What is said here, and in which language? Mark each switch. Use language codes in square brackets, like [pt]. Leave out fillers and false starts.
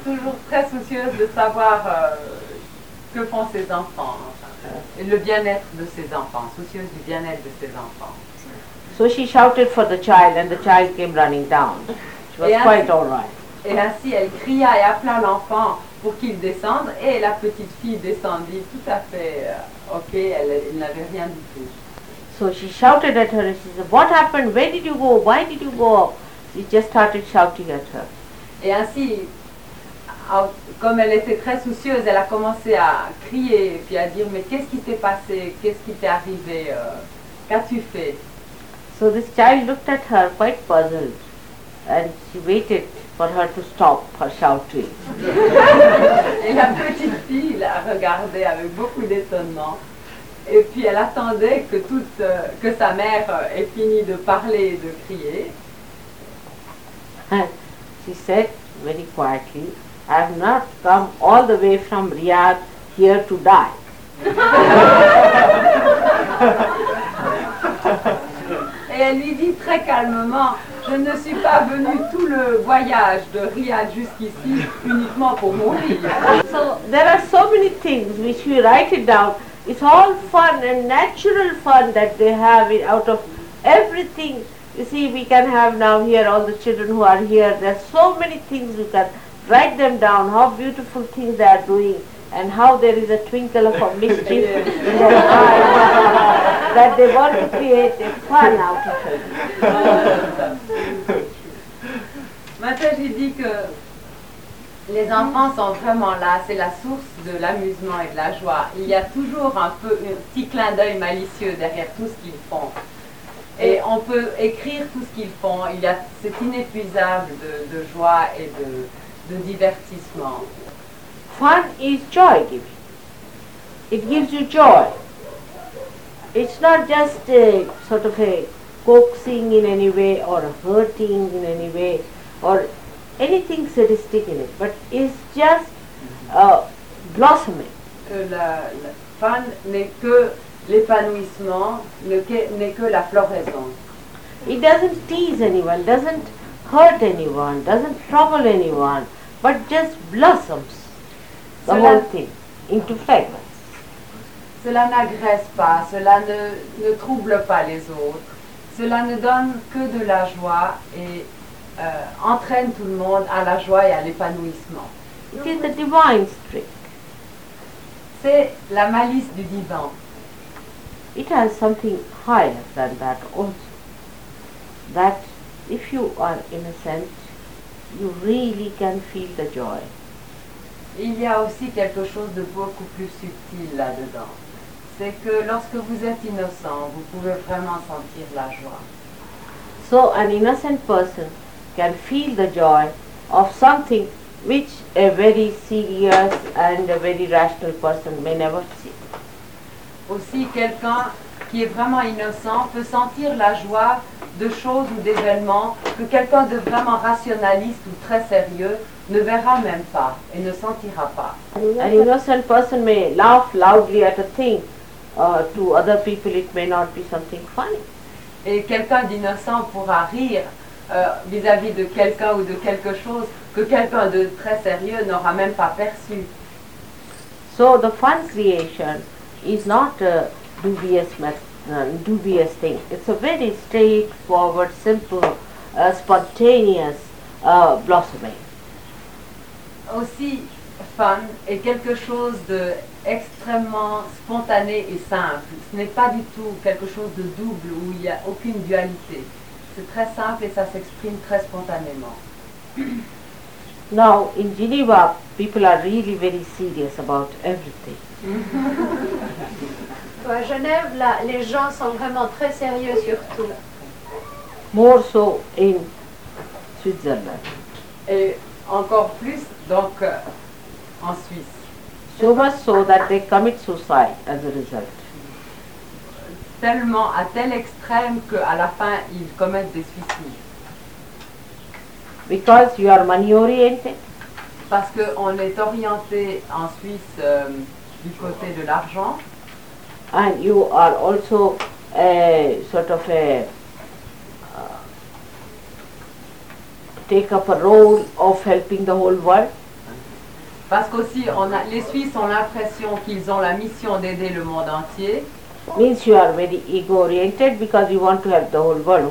[fr] Elle est toujours très soucieuse de savoir que font ses enfants, et le bien-être de ses enfants, soucieuse du bien-être de ses enfants. [en] So she shouted for the child and the child came running down. She was quite all right. [fr] Et ainsi, elle cria et appela l'enfant pour qu'il descende, et la petite fille descendit tout à fait ok, elle n'avait rien du tout. [en] So she shouted at her and she said, what happened? Where did you go? Why did you go? She just started shouting at her. [fr] Et ainsi, comme elle était très soucieuse, elle a commencé à crier et puis à dire, mais qu'est-ce qui t'est passé? Qu'est-ce qui t'est arrivé? Qu'as-tu fait? [en] So this child looked at her quite puzzled and she waited for her to stop her shouting. [fr] Et la petite fille la regardait avec beaucoup d'étonnement. Et puis elle attendait que que sa mère ait fini de parler et de crier. [en] She said very quietly, I have not come all the way from Riyadh here to die. [fr] Et elle lui dit très calmement, je ne suis pas venue tout le voyage de Riyadh jusqu'ici uniquement pour mourir. [en] So there are so many things which we write it down. It's all fun and natural fun that they have it out of everything. You see, we can have now here all the children who are here. There are so many things you can write them down, how beautiful things they are doing and how there is a twinkle of a mischief in their eyes that they want to create a fun out of it. [fr] Mataji dit que les enfants sont vraiment là, c'est la source de l'amusement et de la joie. Il y a toujours un peu un petit clin d'œil malicieux derrière tout ce qu'ils font. Et on peut écrire tout ce qu'ils font, c'est inépuisable de joie et de divertissement. [en] Fun is joy giving. It gives you joy. It's not just a sort of a coaxing in any way or hurting in any way or anything sadistic in it, but it's just blossoming. [fr] La fun n'est que l'épanouissement, n'est que la floraison. [en] It doesn't tease anyone, doesn't hurt anyone, doesn't trouble anyone, but just blossoms the whole thing into fragrance. [fr] Cela n'agresse pas, cela ne trouble pas les autres, cela ne donne que de la joie et entraîne tout le monde à la joie et à l'épanouissement. [en] It is the divine trick. [fr] C'est la malice du divin. [en] It has something higher than that also. That if you are innocent, you really can feel the joy. [fr] Il y a aussi quelque chose de beaucoup plus subtil là-dedans. C'est que lorsque vous êtes innocent, vous pouvez vraiment sentir la joie. [en] So an innocent person can feel the joy of something which a very serious and a very rational person may never see. [fr] Aussi, quelqu'un qui est vraiment innocent peut sentir la joie de choses ou d'événements que quelqu'un de vraiment rationaliste ou très sérieux ne verra même pas et ne sentira pas. [en] An innocent person may laugh loudly at a thing. To other people, it may not be something funny. [fr] Et quelqu'un d'innocent pourra rire vis-à-vis de quelqu'un ou de quelque chose que quelqu'un de très sérieux n'aura même pas perçu. [en] So the fun creation is not a dubious dubious thing. It's a very straightforward, simple, spontaneous blossoming. [fr] Aussi, fun est quelque chose d'extrêmement spontané et simple. Ce n'est pas du tout quelque chose de double où il n'y a aucune dualité. C'est très simple et ça s'exprime très spontanément. [en] Now, in Geneva, people are really very serious about everything. [fr] À Genève, là, les gens sont vraiment très sérieux sur tout. [en] more so in Switzerland. [fr] Et encore plus donc en Suisse. [en] So much so that they commit suicide as a result. [fr] Tellement à tel extrême qu'à la fin ils commettent des suicides. [en] Because you are money oriented. [fr] Parce qu'on est orienté en Suisse du côté de l'argent. [en] And you are also a sort of a take up a role of helping the whole world. [fr] Parce qu'aussi on a, les Suisses ont l'impression qu'ils ont la mission d'aider le monde entier. [en] Means you are very ego oriented because you want to help the whole world.